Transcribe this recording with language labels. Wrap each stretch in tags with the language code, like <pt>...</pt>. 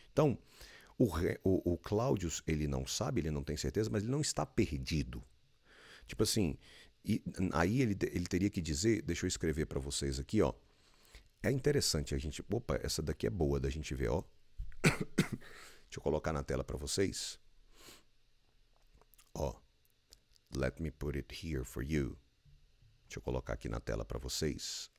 <pt>Então, o Cláudio, ele não sabe, ele não tem certeza, mas ele não está perdido. Tipo assim, e aí ele teria que dizer, deixa eu escrever para vocês aqui, ó. É interessante a gente, opa, essa daqui é boa da gente ver, ó. Deixa eu colocar na tela para vocês.</pt> <en>Ó, let me put it here for you.</en> <pt>Deixa eu colocar aqui na tela para vocês.</pt>